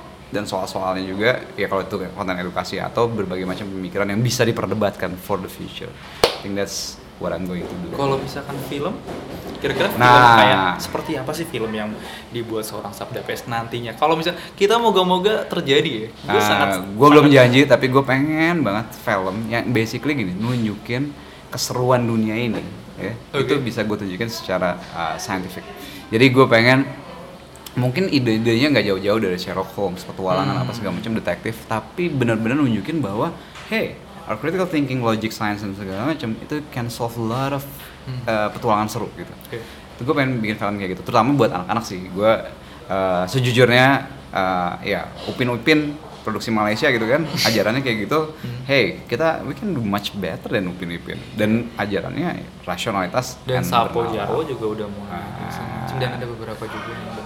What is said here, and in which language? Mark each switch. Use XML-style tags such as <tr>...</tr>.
<id>Dan soal-soalnya juga, ya kalau itu konten edukasi atau berbagai macam pemikiran yang bisa diperdebatkan</id> <en>for the future. I think that's what I'm going to do.</en> <id>Kalau misalkan film, kira-kira film kayak seperti apa sih film yang dibuat seorang Sabda PS nantinya? Kalau misalkan, kita moga-moga terjadi ya. Gue belum janji, tapi gue pengen banget film yang basically gini, nunjukin keseruan dunia ini. Ya, okay. Itu bisa gue tunjukin secara scientific. Jadi gue pengen, mungkin ide-idenya gak jauh-jauh dari Sherlock Holmes, petualangan apa segala macam detektif, tapi benar-benar nunjukin bahwa hey,</id> <en>our critical thinking, logic, science,</en> <id>dan segala macam itu</id> <en>can solve a lot of</en> <id>petualangan seru gitu. Okay. Itu gue pengen bikin film kayak gitu, terutama buat anak-anak sih. Gue sejujurnya, ya Upin-Upin produksi Malaysia gitu kan, ajarannya kayak gitu.</id> <en>Hey, kita, we can do much better than Upin-Ipin.</en> <id>Dan ajarannya rasionalitas dan Sapo Jaro juga udah mulai. Dan ada beberapa juga yang</id>